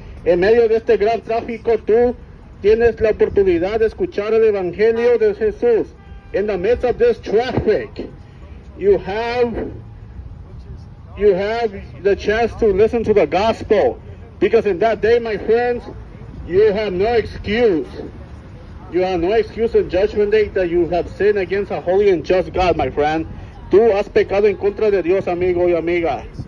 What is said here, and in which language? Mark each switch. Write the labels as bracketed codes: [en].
[es] En medio de este gran tráfico, tú tienes la oportunidad de escuchar el Evangelio de Jesús. [en] In the midst of this traffic, you have the chance to listen to the gospel. Because in that day, my friends, you have no excuse. You have no excuse in judgment day that you have sinned against a holy and just God, my friend. [es] Tú has pecado en contra de Dios, amigo y amiga.